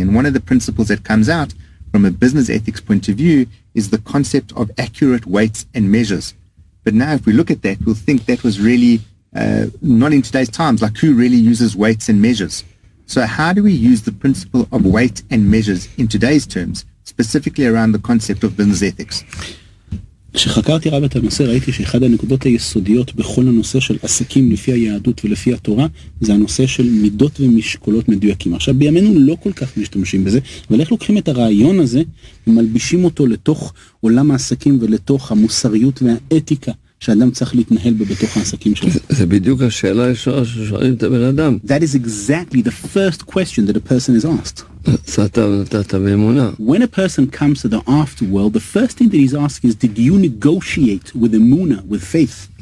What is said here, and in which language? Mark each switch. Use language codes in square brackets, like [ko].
[en] And one of the principles that comes out from a business ethics point of view is the concept of accurate weights and measures. But now if we look at that, we'll think that was really not in today's times. Like, who really uses weights and measures? So how do we use the principle of weight and measures in today's terms, specifically around the concept of business ethics. [he] כשחקרתי רב את הנושא, ראיתי שאחד הנקודות היסודיות בכל הנושא של עסקים לפי היהדות ולפי התורה, זה הנושא של מידות ומשקולות מדויקים. עכשיו, בימינו לא כל כך משתמשים בזה, אבל איך לוקחים את הרעיון הזה ומלבישים אותו לתוך עולם העסקים ולתוך המוסריות והאתיקה שאדם צריך להתנהל בתוך העסקים שלו? זה בדיוק השאלה הישרה ששואלים את הבן אדם. [en] That is exactly the first question that a person is asked. When a person comes to the afterworld, the first thing that he's asking is, did you negotiate with emunah, with faith?